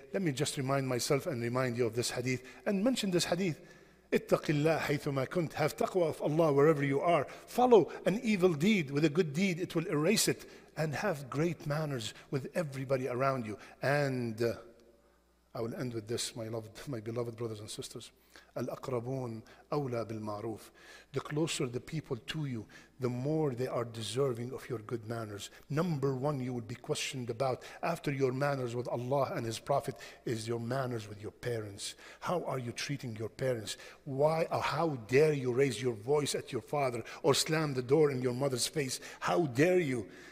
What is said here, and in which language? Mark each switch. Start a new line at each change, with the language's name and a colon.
English: Let me just remind myself and remind you of this hadith and mention this hadith.
Arabic: اتَّقِ اللَّهَ حَيْثُمَا كُنْتَ.
English: Have taqwa of Allah wherever you are. Follow an evil deed with a good deed. It will erase it. And have great manners with everybody around you. And I will end with this, my beloved brothers and sisters.
Arabic: الأقربون أولى بالمعروف.
English: The closer the people to you, the more they are deserving of your good manners. Number one you would be questioned about after your manners with Allah and His Prophet is your manners with your parents. How are you treating your parents? Why or how dare you raise your voice at your father or slam the door in your mother's face? How dare you?